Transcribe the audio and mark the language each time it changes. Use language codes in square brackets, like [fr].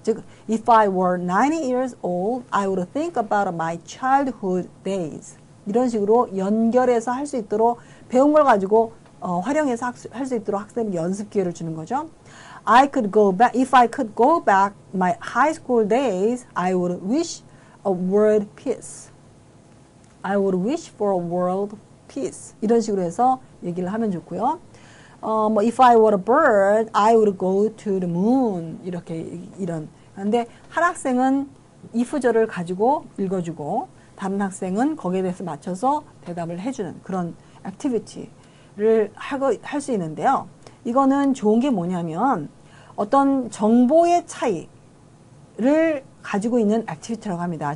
[en] 즉, if I were 90 years old, I would think about my childhood days. [ko] 이런 식으로 연결해서 할 수 있도록 배운 걸 가지고 활용해서 할 수 있도록 학생 연습 기회를 주는 거죠. [en] I could go back, if I could go back my high school days, I would wish a world peace. I would wish for a world peace. [ko] 이런 식으로 해서 얘기를 하면 좋고요. [en] If I were a bird, I would go to the moon. [ko] 이렇게 이런. 그런데 한 학생은 if절을 가지고 읽어주고 다른 학생은 거기에 대해서 맞춰서 대답을 해주는 그런 activity를 할 수 있는데요. 이거는 좋은 게 뭐냐면 어떤 정보의 차이를 가지고 있는 activity라고 합니다.